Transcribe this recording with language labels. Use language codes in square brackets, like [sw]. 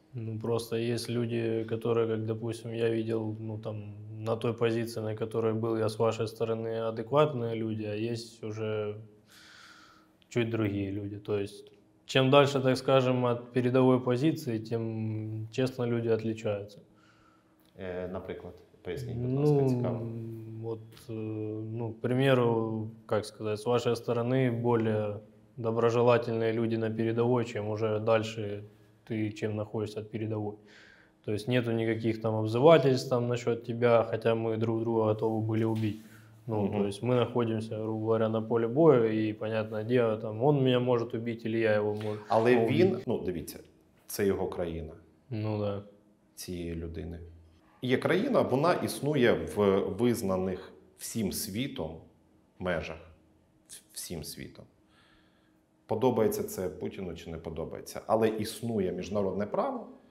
[uk] Ну просто є люди, які, як, допустим, я бачив, ну там, на той позиції, на якій був я з вашої сторони, адекватні люди, а є вже [ru] чуть другие люди. То есть, чем дальше, так скажем, от передовой позиции, тем, честно, люди отличаются. Например, поясни, пожалуйста, цікаво. Вот, ну, к примеру, как сказать, с вашей стороны более доброжелательные люди на передовой, чем уже дальше ты, чем находишься от передовой. То есть нету никаких там обзывательств там насчет тебя, хотя мы друг друга готовы были убить. Ну, то есть мы находимся, грубо говоря, на поле боя, и, понятно, где там он меня может убить, или я его могу убить. [uk] Але він, ну, дивіться, це його країна. Ну, да. Цієї людини. Є країна, вона існує в визнаних всім світом межах. Всім світом. Подобається це Путіну чи не подобається. Але існує міжнародне право.